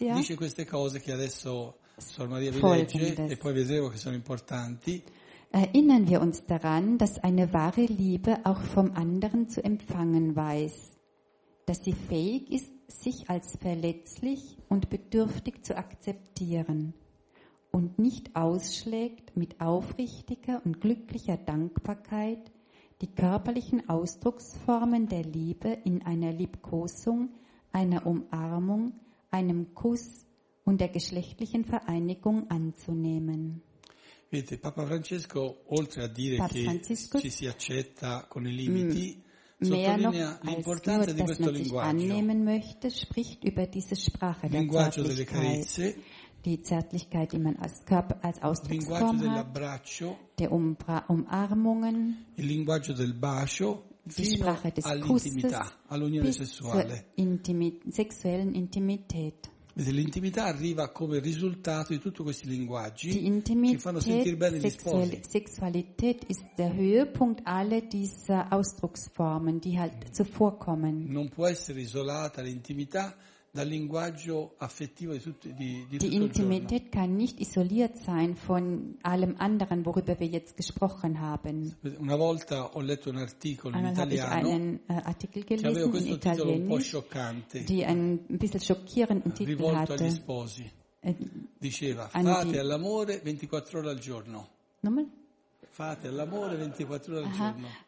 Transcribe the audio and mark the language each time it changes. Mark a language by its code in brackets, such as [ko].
[it] dice queste cose che adesso Suor Maria vi legge e poi vedremo che sono importanti. [de] Erinnern wir uns daran, dass eine wahre Liebe auch vom anderen zu empfangen weiß, dass sie fähig ist, sich als verletzlich und bedürftig zu akzeptieren und nicht ausschlägt mit aufrichtiger und glücklicher Dankbarkeit die körperlichen Ausdrucksformen der Liebe in einer Liebkosung, einer Umarmung, einem Kuss und der geschlechtlichen Vereinigung anzunehmen. [it] Vedete, Papa Francesco, oltre a dire Papa che Francisco, ci si accetta con i limiti, sottolinea l'importanza di questo linguaggio. [de] Möchte, spricht über diese Sprache, [it] linguaggio delle carezze, [de] die Zärtlichkeit, die man als Körper, als Ausdrucksform hat, der Umarmungen, [it] il linguaggio del bacio, [de] die Sprache des Kusses, [it] all'unione sessuale, [de] sexuellen Intimität. [it] L'intimità arriva come risultato di tutti questi linguaggi che fanno sentire bene gli sposi. [de] Sexualità ist der Höhepunkt aller dieser Ausdrucksformen, die halt zuvorkommen. [it] Non può essere isolata l'intimità dal linguaggio affettivo di tutti di tutto il giorno. [de] Die Intimität kann nicht isoliert sein von allem anderen, worüber wir jetzt gesprochen haben. [it] Una volta ho letto un articolo in italiano. [de] Einen Artikel gelesen in italienisch. [it] Un po' scioccante. [de] Die ein bisschen schockierenden Titel hatte. [it] Rivolto agli sposi. Diceva: fate all'amore 24 ore al giorno. [de] Nochmal? [it] Fate all'amore 24 ore al giorno.